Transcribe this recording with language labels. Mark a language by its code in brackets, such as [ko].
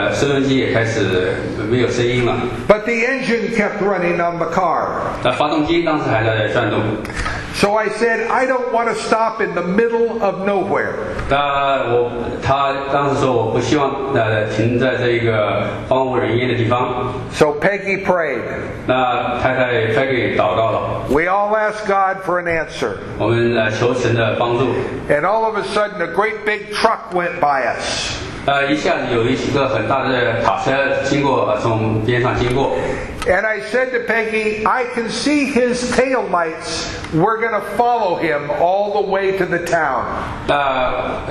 [zh] 当我们离目的地差有五英里的时候，那个时候发现车里的灯开始变得很暗，然后那个收音机也开始没有声音了。But [en] the engine kept running on the car. [zh] 发动机当时还在转动。 [en] So I said, I don't want to stop in the middle of nowhere. [zh] 他当时说我不希望停在这个荒无人烟的地方。 [en] So Peggy prayed. [zh] 那太太 Peggy 祷告了。 [en] We all asked God for an answer. [zh] 我们求神的帮助。 [en] And all of a sudden, a great big truck went by us. [zh] 一下子有一个很大的卡车经过，从边上经过。 [en] And I said to Peggy, I can see his tail lights. We're going to follow him all the way to the town.